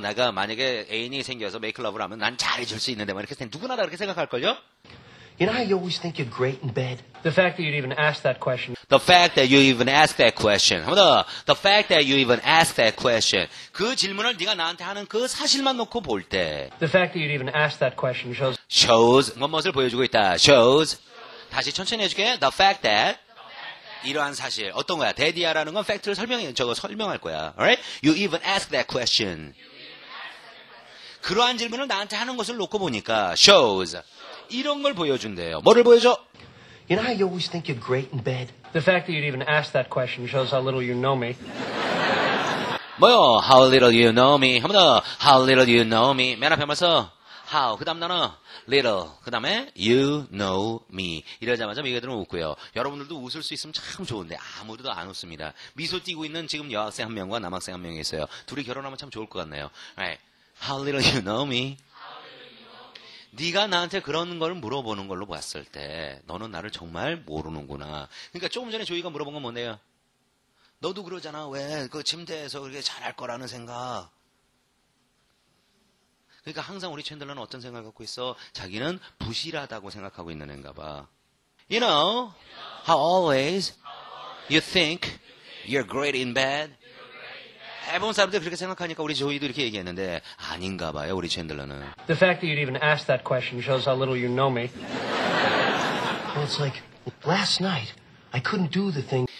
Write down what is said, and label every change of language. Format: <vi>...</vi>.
<ko>내가 만약에 애인이 생겨서 메이크 러브를 하면 난 잘해줄 수 있는데 뭐 이렇게 생각, 누구나 다 그렇게 생각할걸요?</ko> <en>You know how you always think you're great in bed? The fact that you'd even ask that question. The fact that you even ask that question.</en> <ko>한번 더.</ko> <en>The fact that you even ask that question.</en> <ko>그 질문을 네가 나한테 하는 그 사실만 놓고 볼 때.</ko> <en>The fact that you'd even ask that question shows.</en> <ko>Shows. 무엇을 보여주고 있다. Shows. 다시 천천히 해줄게.</ko> <en>The fact that.</en> <ko>이러한 사실 어떤 거야? 데디아라는 건 팩트를 설명해 저거 설명할 거야.</ko> <en>Alright? You even ask that question.</en> <ko>그러한 질문을 나한테 하는 것을 놓고 보니까 shows 이런 걸 보여준대요. 뭐를 보여줘?</ko> <en>You know how you always think you're great in bed. The fact that you'd even ask that question shows how little you know me.</en> <ko>뭐요?</ko> <en>How little you know me?</en> <ko>한번 더.</ko> <en>How little you know me?</en> <ko>맨 앞에 와서 how 그다음 나는 little 그다음에 you know me 이러자마자 미국애들은 웃고요. 여러분들도 웃을 수 있으면 참 좋은데 아무도 안 웃습니다. 미소 띄고 있는 지금 여학생 한 명과 남학생 한 명이 있어요. 둘이 결혼하면 참 좋을 것 같네요.</ko> <en>Right. How little you know me?</en> <ko>네가 나한테 그런 걸 물어보는 걸로 봤을 때 너는 나를 정말 모르는구나. 그러니까 조금 전에 조이가 물어본 건 뭐네요. 너도 그러잖아. 왜 그 침대에서 그렇게 잘할 거라는 생각. 그러니까 항상 우리 챈들러는 어떤 생각을 갖고 있어? 자기는 부실하다고 생각하고 있는 애인가 봐.</ko> <en>You know how always you think you're great in bed?</en> <ko>해본 사람들 그렇게 생각하니까 우리 조이도 이렇게 얘기했는데 아닌가 봐요, 우리 챈들러는.</ko> <en>The fact that you'd even ask that question shows how little you know me. Well, it's like last night I couldn't do the thing.</en>